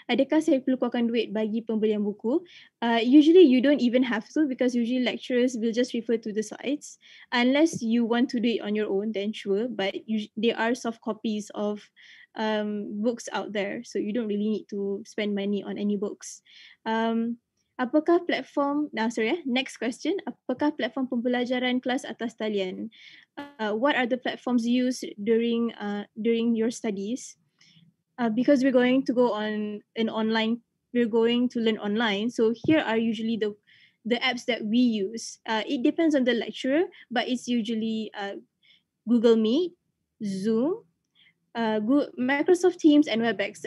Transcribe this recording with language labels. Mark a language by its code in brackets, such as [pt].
[ms] Adakah saya perlu keluarkan duit bagi pembelian buku? [en] Usually you don't even have to, because usually lecturers will just refer to the sites. Unless you want to do it on your own, then sure. But there are soft copies of books out there. So you don't really need to spend money on any books. [ms] Apakah platform, [en] next question. [ms] Apakah platform pembelajaran kelas atas talian? [en] What are the platforms used during your studies? Because we're going to go on an online, we're going to learn online. So here are usually the apps that we use. It depends on the lecturer, but it's usually Google Meet, Zoom, Microsoft Teams, and WebEx.